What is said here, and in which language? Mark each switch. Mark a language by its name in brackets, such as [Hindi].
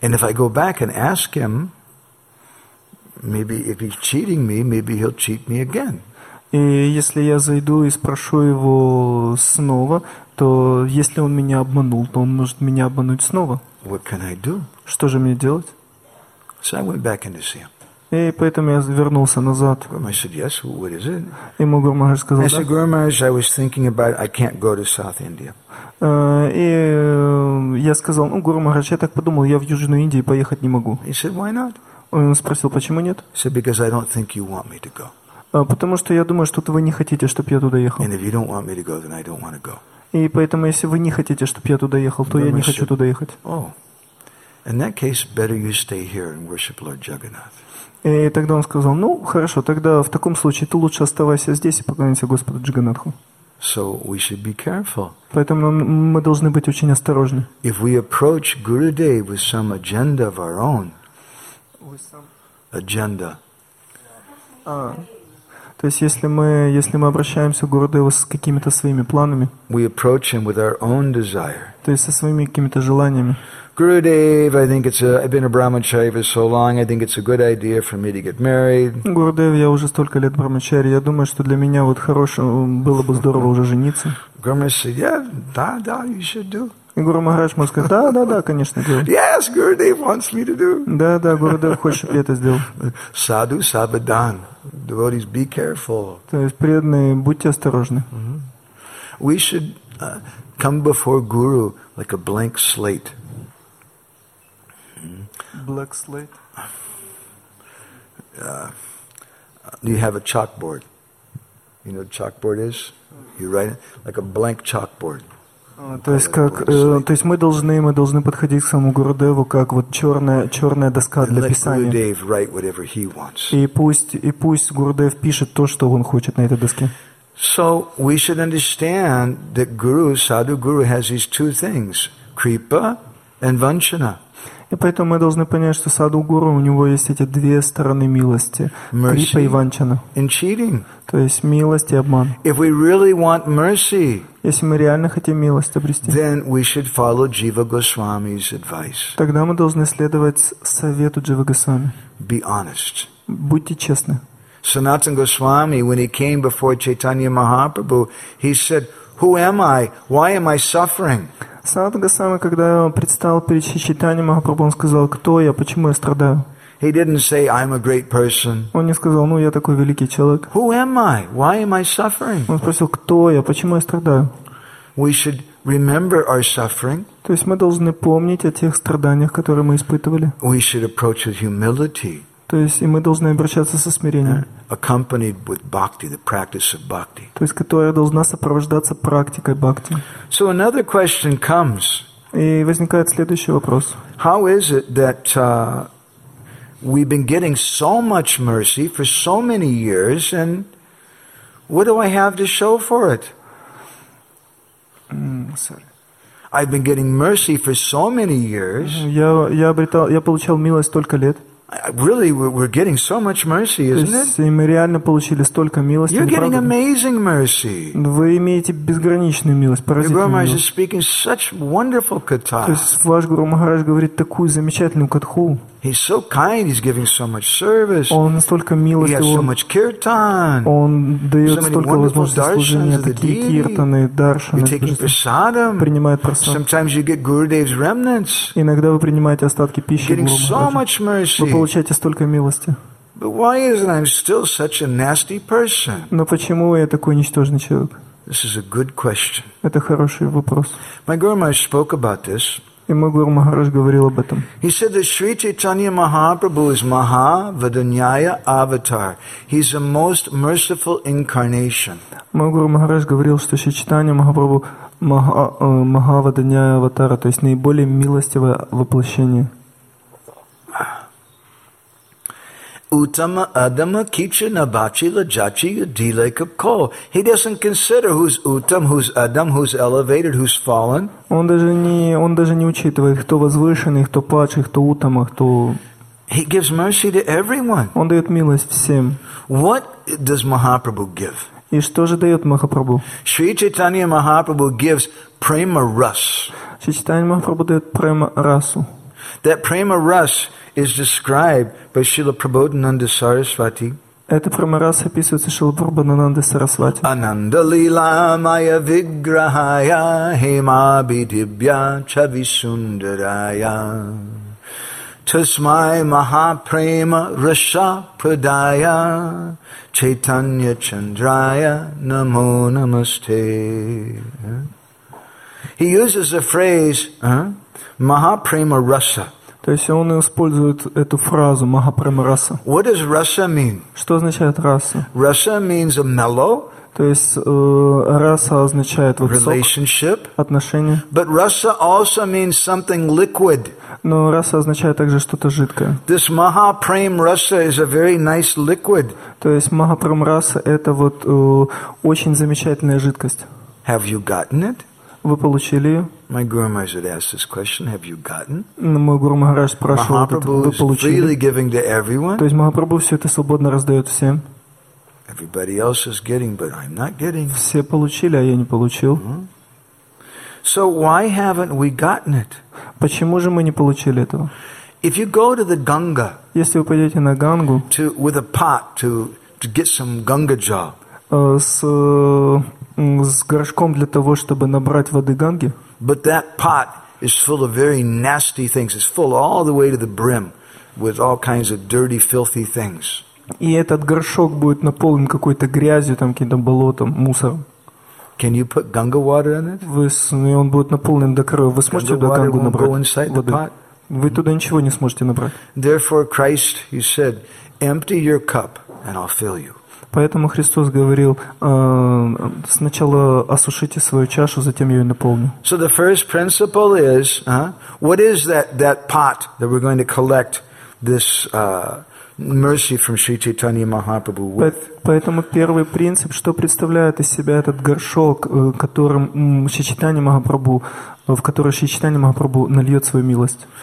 [English] And if I go back and ask him, maybe if he's cheating me, maybe he'll cheat me again. [Russian] И если я зайду и спрошу его снова, то если он меня обманул, то он может меня обмануть снова. [English] What can I do? [Russian] Что же мне делать? [English] So I went back in to see him. [Russian] И поэтому я вернулся назад. [English] Guru Maharaj said, yes, what is it? [Russian] И мой Гуру Махарадж сказал, да. [English] I said, Guru Maharaj, I was thinking about, I can't go to South India. [Russian] И я сказал, Гуру Махарадж, я так подумал, я в Южную Индию поехать не могу. [English] He said, why not? [Russian] Он спросил, почему нет? [English] He said, because I don't think you want me to go. [Russian] Потому что я думаю, что вы не хотите, чтобы я туда ехал. [English] And if you don't want me to go, then I don't want to go. [Russian] И поэтому, если вы не хотите, чтобы я туда ехал, то я не хочу туда ехать. [English] Oh. In that case, better you stay here and worship Lord Jagannath. [Russian] И тогда он сказал, хорошо, тогда в таком случае ты лучше оставайся здесь и поклоняйся Господу Джаганатху. [English] So we should be careful. [Russian] Поэтому мы должны быть очень осторожны. [English] If we approach Gurudev with some agenda of our own, agenda. [Russian] То есть если мы обращаемся к Гурудеву с какими-то своими планами, [English] we approach him with our own desire. [Russian] То есть со своими какими-то желаниями. [English] Gurudev, I think I've been a brahmachari for so long, I think it's a good idea for me to get married. [Russian] Гурудев, я уже столько лет брахмачари, я думаю, что для меня вот хорошо было бы здорово уже жениться. [English] Guru Maharaj said, yeah, [Russian] да, [English] you should do. [Russian] И Гуру Махарадж мог сказать, да, конечно, делай. [English] Yes, Gurudev wants me to do. [Russian] Да, Гурудев хочет, чтобы я это сделал. [Bangla] Саду сабадан. [English] Devotees, be careful. [Russian] То есть преданные, будьте осторожны. Mm-hmm. [English] We should come before Guru like a blank slate. Black slate? You have a chalkboard. You know what chalkboard is? You write it like a blank chalkboard. [Russian] То есть мы должны подходить к самому Гурудеву как вот черная доска для писания. И пусть Гурудев пишет то, что он хочет на этой доске. [English] So we should understand that Guru, Sadhu Guru, has these two things: Kripa and Vanchana. [Russian] И поэтому мы должны понять, что Саду Гуру, у него есть эти две стороны милости: Крипа и Ванчана. То есть милость и обман. [English] If we really want mercy, [Russian] если мы реально хотим милость обрести, [English] then we should follow Jiva Goswami's advice. [Russian] Тогда мы должны следовать совету Дживы Госвами. [English] Be honest. [Russian] Будьте честны. [English] Sanatana Goswami, when he came before Chaitanya Mahaprabhu, he said, "Who am I? Why am I suffering?" [Russian] Санат Госвами, когда предстал перед Чайтаньей Махапрабху, он сказал, кто я, почему я страдаю? [English] He didn't say, I'm a great person. [Russian] Он не сказал, ну я такой великий человек. [English] Who am I? Why am I suffering? [Russian] Он спросил, кто я, почему я страдаю? [English] We should remember our suffering. [Russian] То есть мы должны помнить о тех страданиях, которые мы испытывали. [English] We should approach with humility. [Russian] То есть и мы должны обращаться со смирением. [English] Accompanied with bhakti, the practice of bhakti. [Russian] То есть которая должна сопровождаться практикой бхакти. [English] So another question comes. [Russian] И возникает следующий вопрос. [English] How is it that we've been getting so much mercy for so many years, and what do I have to show for it? I've been getting mercy for so many years. [Russian] Я получал милость столько лет. [English] Really, we're getting so much mercy, isn't it? [Russian] Мы реально получили столько милости. [English] You're getting amazing mercy. [Russian] Вы имеете безграничную милость, поразительную милость. [English] Your Guru Maharaj is speaking such wonderful katha. [Russian] То есть ваш Гуру Махарадж говорит такую замечательную катху. [English] He's so kind. He's giving so much service. [Russian] Он настолько милостив. [English] He has so much kirtan. [Russian] Он дает столько возможностей служения. Такие киртаны, даршаны. [English] You're taking prasadam. [Russian] Принимает просад. [English] Sometimes you get Gurudev's remnants. [Russian] Иногда вы принимаете остатки пищи. [English] Getting so much mercy. [Russian] Вы получаете столько милости. [English] But why is it I'm still such a nasty person? [Russian] Но почему я такой ничтожный человек? [English] This is a good question. [Russian] Это хороший вопрос. [English] My Guru Maharaj spoke about this. [Russian] И мой Гуру Махарадж говорил об этом. [English] He said that Sri Chaitanya Mahaprabhu is Maha Vadanyaya Avatar. He's the most merciful incarnation. [Russian] Мой Гуру Махарадж говорил, что Шри Чайтанья Махапрабху Маха Ваданьяя Аватара, то есть наиболее милостивое воплощение. [Bangla] Utama Adama Kicha Nabachi Lajachi Dilaka Ko. [English] He doesn't consider who's Utam, who's Adam, who's elevated, who's fallen. [Russian] Он даже не учитывает, кто возвышенный, кто падший, кто Утама, кто. [English] He gives mercy to everyone. [Russian] Он дает милость всем. [English] What does Mahaprabhu give? [Russian] И что же дает Махапрабху? [English] Sri Chaitanya Mahaprabhu gives prema ras. [Russian] Sri Chaitanya Mahaprabhu дает prema rasu. [English] That prema ras is described by Srila Prabodhananda Sarasvati. [Russian] Это прямо раз описывается Шрила Прабхудананда Сарасвати. [Sanskrit] Ананда лила майя виграхая хемаби дивья чави сундарая тасмай махапрема раса прадая чайтанья чандрая намо намасте. [English] He uses the phrase махапрема раса. [Russian] То есть он использует эту фразу «махапрема раса». [English] What does rasa mean? [Russian] Что означает «раса»? [English] Rasa means a mellow. [Russian] То есть «раса» означает вот [English] relationship. [Russian] Сок, отношения. [English] But rasa also means something liquid. [Russian] Но «раса» означает также что-то жидкое. [English] This mahaprema rasa is a very nice liquid. [Russian] То есть «махапрема раса» – это вот очень замечательная жидкость. [English] Have you gotten it? [Russian] Вы получили ее? [English] My Guru Maharaj asked this question: Have you gotten? [Russian] Мой Гуру Махарадж спрашивал, вы получили? [English] Freely giving to everyone. [Russian] То есть Махапрабху все это свободно раздает всем. [English] Everybody else is getting, but I'm not getting. [Russian] Все получили, а я не получил. [English] So why haven't we gotten it? [Russian] Почему же мы не получили этого? [English] If you go to the Ganga, [Russian] если вы пойдете на Гангу, [English] to with a pot to get some Ganga jal, [Russian] с горшком для того, чтобы набрать воды Ганги. [English] But that pot is full of very nasty things. It's full all the way to the brim with all kinds of dirty, filthy things. [Russian] И этот горшок будет наполнен какой-то грязью, там каким-то болотом, мусором. [English] Can you put Ganga water in it? [Russian] Вы с, и он будет наполнен до крови. Вы сможете туда Гангу набрать воды? [English] The pot? [Russian] Вы туда ничего не сможете набрать. [English] Therefore, Christ, he said, empty your cup, and I'll fill you. [Russian] Поэтому Христос говорил, сначала осушите свою чашу, затем ее наполню. [English] So the first principle is, what is that pot that we're going to collect this mercy from Sri Chaitanya Mahaprabhu with? [Russian] Поэтому первый принцип, что представляет из себя этот горшок, которым Шри Чайтанья Махапрабху, в который Шри Чайтанья Махапрабху нальет свою милость.